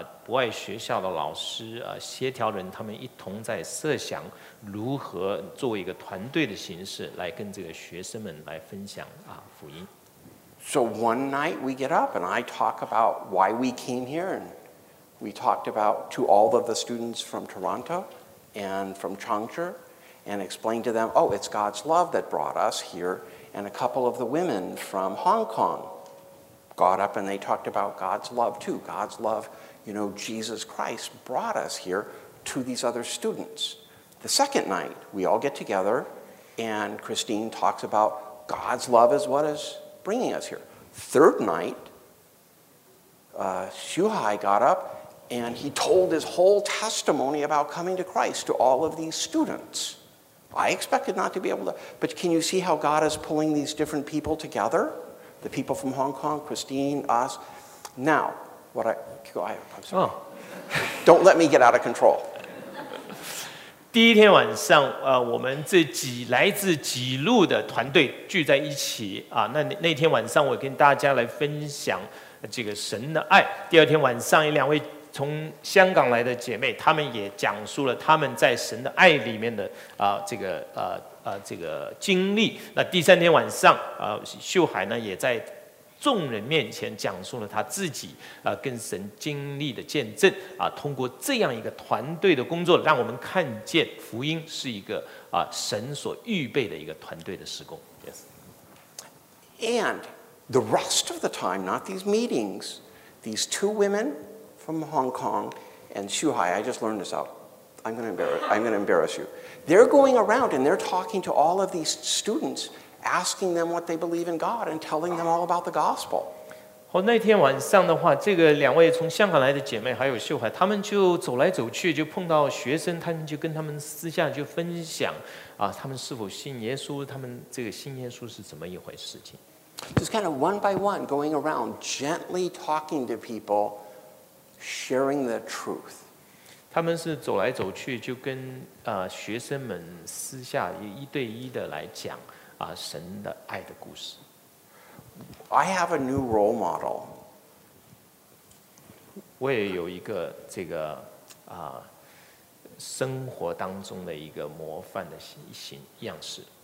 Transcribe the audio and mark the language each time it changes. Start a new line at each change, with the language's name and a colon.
Chinese: 博爱学校的老师协调人，他们一同在设想如何作为一个团队的形式来跟这个学生们来分享福音。
English: So one night we get up and I talk about why we came here, and we talked about to all of the students from Toronto and from Changchun and explained to them, oh, it's God's love that brought us here. And a couple of the women from Hong Kong got up and they talked about God's love too. God's love, you know, Jesus Christ brought us here to these other students. The second night we all get together and Christine talks about God's love is what is bringing us here. Third night, Shuhai got up and he told his whole testimony about coming to Christ to all of these students. I expected not to be able to, but can you see how God is pulling these different people together? The people from Hong Kong, Christine, us. Now, what I'm sorry. Don't let me get out of control.
Chinese: 第一天晚上我们这几来自几路的团队聚在一起那天晚上我跟大家来分享这个神的爱。第二天晚上一两位从香港来的姐妹，她们也讲述了她们在神的爱里面的这个经历。那第三天晚上秀海呢也在众人面前讲述了他自己跟神经历的见证通过这样一个团队的工作，让我们看见福音是一个神所预备的一个团队的事工。
English: Yes. And the rest of the time, not these meetings, these two women from Hong Kong and Shuhai, I just learned this out. I'm going to embarrass you. They're going around and they're talking to all of these students,asking them what they believe in God and telling them all about the gospel.
Chinese: 那天晚上的话，这个两位从香港来的姐妹还有秀海，他们就走来走去，就碰到学生，他们就跟他们私下就分享他们是否信耶稣，他们这个信耶稣是怎么一回事情。
English: Just kind of one by one going around, gently talking to people, sharing the truth.
Chinese: 他们是走来走去，就跟学生们私下一对一的来讲神的爱的故事。
English: I have a new role model.
Chinese: 我也有一个这个生活当中的一个模范的形样式。